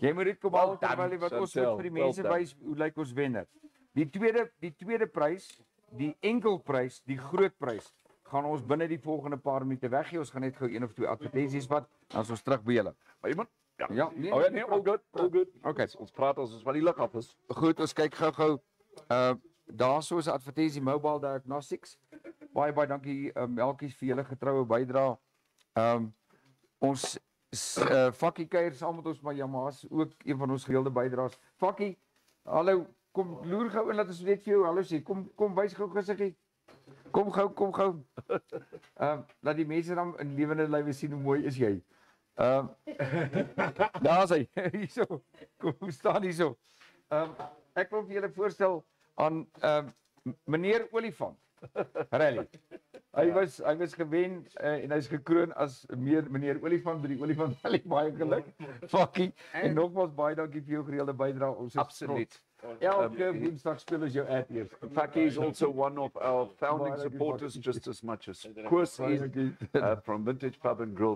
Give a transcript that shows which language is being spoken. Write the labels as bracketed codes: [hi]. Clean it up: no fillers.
[af] Jy moet dit kom haal terwyl wat ons moet vir die mense wys hoe lyk ons wenner. Die tweede prys, die enkel prys, die groot prys. Gaan ons binnen die volgende paar minute weggee, ons gaan net gou 1 of 2 advertensies wat, dan is ons terug by julle. Maar iemand? Ja. Nee, [en] all good. Okay. [af] Ons praat as ons van die lig af is. Goed, ons kyk gou. Daar so is een advertensie, Mobile Diagnostics. Baie, baie dankie, Melkies, vir julle getrouwe bydra. Ons Fakkie keier saam met ons, maar Jamaas, ook een van ons geheelde bydraers. Fakkie, hallo, kom loer gou en laat ons net vir jou hallo sê. Kom wys gou gesiggie. Kom gou. Laat die mense dan in lewende lywe sien hoe mooi is jy. Daar is hy, hierso. Kom, staan hierso. Ek wil vir julle voorstel aan meneer Olifant. Rally. Hy was gewen en hy is gekroon as meneer Olifant by die Olifant Rally. Baie geluk. Fakkie. En nogmaals baie dankie vir jou gereelde bydrae. Ons is absoluut. Elke woensdag speel ons jou ad hier. [en] Fakkie is also one of our founding supporters just as much as Koos is from Vintage Pub and Grill.